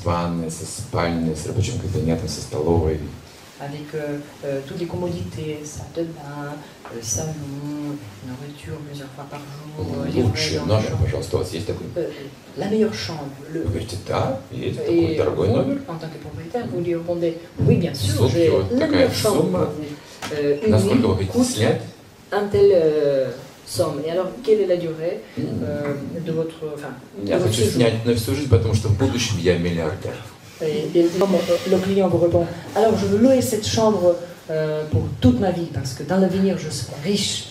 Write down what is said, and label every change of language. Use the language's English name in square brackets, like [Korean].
[Russian] С ванной, со спальней, с рабочим кабинетом, со столовой. [French] Avec toutes les commodités, salle de bain, salon, nourriture plusieurs fois par jour, la meilleure chambre. Vous dites, [Russian] да, есть такой дорогой номер. [French] En tant que propriétaire, vous lui répondez, oui, bien sûr, j'ai la meilleure chambre. [Russian] Насколько вы хотите снять? [French] Un tel somme. Et alors, quelle est la durée de votre... [Russian] Я хочу снять на всю жизнь, потому что в будущем я миллиардер. [French] Et le client vous répond, alors je veux louer cette chambre pour toute ma vie, parce que dans l'avenir je serai riche,